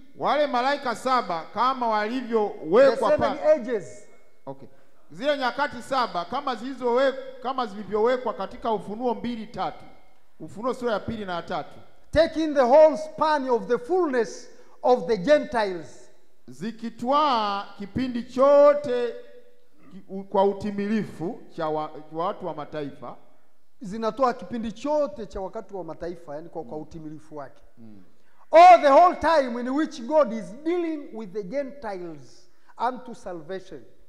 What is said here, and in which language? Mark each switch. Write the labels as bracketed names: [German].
[Swahili] Wale malaika saba kama walivyo wekwa [English] pa. The seven ages. [Swahili] Okay. Zile nyakati saba kama zilivyowekwa katika Ufunuo 2 3. Ufunuo sura ya 2 na 3. [English] Taking the whole span of the fullness of the Gentiles. [Swahili] Zikitwa kipindi chote kwa utimilifu cha watu wa mataifa. Zinatoa kipindi chote cha wakati wa mataifa, yani kwa utimilifu wake. [English] All the whole time in which God is dealing with the Gentiles unto salvation.